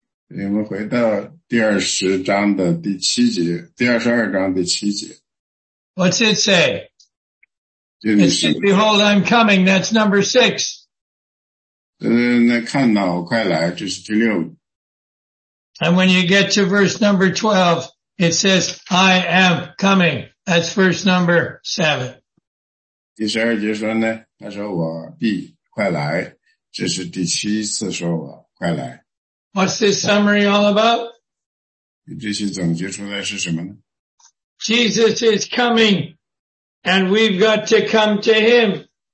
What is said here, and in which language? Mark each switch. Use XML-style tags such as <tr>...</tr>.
<zh>我们回到第二十章的第七节，第二十二章第七节。</zh> <en>What's it say?</en> <zh>第七节。</zh> <en>Behold, I'm coming, that's number 6.</en> <zh>那看到我快来，这是第六。</zh> <en>And when you get to verse number 12, it says, I am coming, that's verse number 7.</en> <zh>第十二节说呢， 他说我必快来，这是第七次说我快来。</zh> <en>What's this summary all about?</en> <zh>你这些总结出来是什么呢？</zh> <en>Jesus is coming, and we've got to come to him.</en>